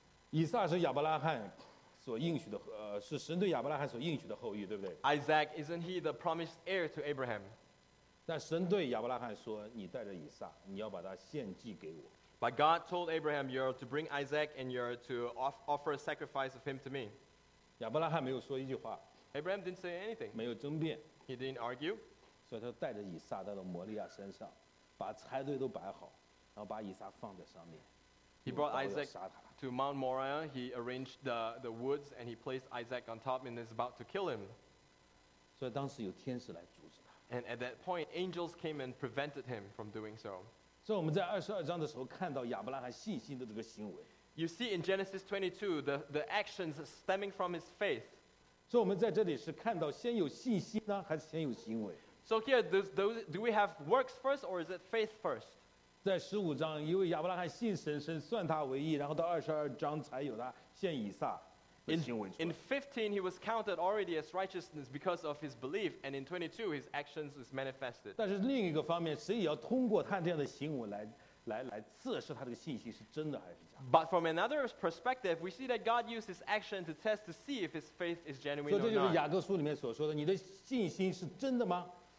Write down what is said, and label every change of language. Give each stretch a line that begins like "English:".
Chinese: 以撒是亚伯拉罕所应许的，是神对亚伯拉罕所应许的后裔，对不对？
English: Isaac, isn't he the promised heir to Abraham?
Chinese: 但神对亚伯拉罕说，你带着以撒，你要把他献祭给我。
English: But God told Abraham, you're to bring Isaac and you're to offer a sacrifice of him to me.
Chinese: 亚伯拉罕没有说一句话。
English: Abraham didn't say anything.
Chinese: 没有争辩。
English: He didn't argue.
Chinese: 所以他带着以撒到了摩利亚山上，把柴堆都摆好，然后把以撒放在上面。
English: He brought Isaac to Mount Moriah. He arranged the woods and he placed Isaac on top and is about to kill him.
Chinese: 所以当时有天使来阻止他。
English: And at that point, angels came and prevented him from doing so.
Chinese: 所以我们在二十二章的时候看到亚伯拉罕信心的这个行为。
English: You see in Genesis 22 the actions stemming from his faith.
Chinese: 所以我们在这里是看到先有信心呢，还是先有行为？
English: So here, do we have works first or is it faith first?
Chinese: 在十五章，因为亚伯拉罕信神，神算他为义，然后到二十二章才有他献以撒的行为出来。
English: In 15, he was counted already as righteousness because of his belief, and in 22, his actions was manifested.
Chinese: 但是另一个方面，神也要通过他这样的行为来测试他这个信心是真的还是假。
English: But from another perspective, we see that God used his action to test to see if his faith is genuine or not.
Chinese: 所以这就是雅各书里面所说的，你的信心是真的吗？